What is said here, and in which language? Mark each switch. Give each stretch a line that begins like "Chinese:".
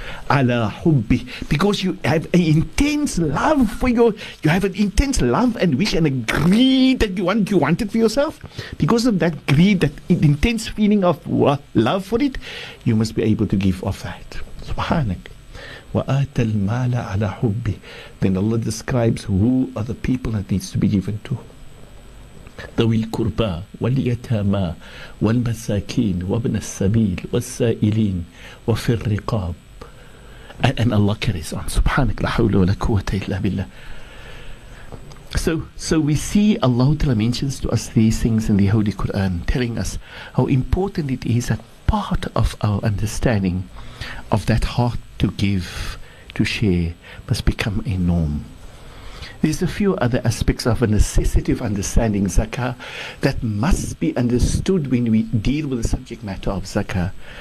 English: Ala hubbi. Because you have an intense love for your, you have an intense love and wish and a greed that you want it for yourself. Because of that greed, that intense feeling of love for it, you must be able to give of that.
Arabic: Subhanak. وَآتَ الْمَالَ عَلَىٰ حُبِّهِ.
English: Then Allah describes who are the people that needs to be given to.
Arabic: ذوي القربى واليتامى والمساكين وابن السبيل والسائلين وفي الرقاب.
English: And Allah carries on.
Arabic: سبحانك لا حول ولا قوة إلا بالله.
English: So we see Allah Ta'ala mentions to us these things in the Holy Quran, telling us how important it is that part of our understanding of that heart to give, to share, must become a norm. There's a few other aspects of a necessity of understanding zakah that must be understood when we deal with the subject matter of zakah.